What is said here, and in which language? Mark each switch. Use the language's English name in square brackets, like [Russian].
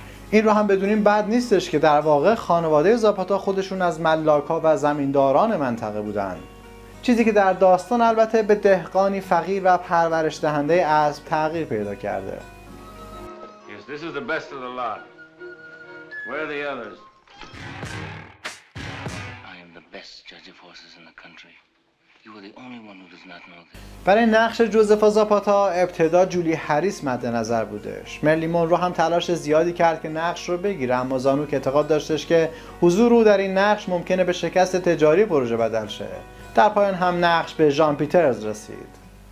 [Persian] این رو هم بدونیم بد نیستش که در واقع خانواده زاپاتا خودشون از ملاک‌ها و زمینداران منطقه بودند، چیزی که در داستان البته به دهقانی فقیر و پرورش دهنده اسب تغییر پیدا کرده. [English] This is the best of the lot. Where are the others? I am the best judge of horses in the country. You are the only one who does not know this. [Persian] برای نقش جوزفا زاپاتا ابتدا جولی هریس مد نظر بودش. مرلی مونرو هم تلاش زیادی کرد که نقش رو بگیره، اما زانوک اعتقاد داشتش که حضور او در این نقش ممکنه به شکست تجاری پروژه بدل شه. در پایان هم نقش به ژان پیترز رسید.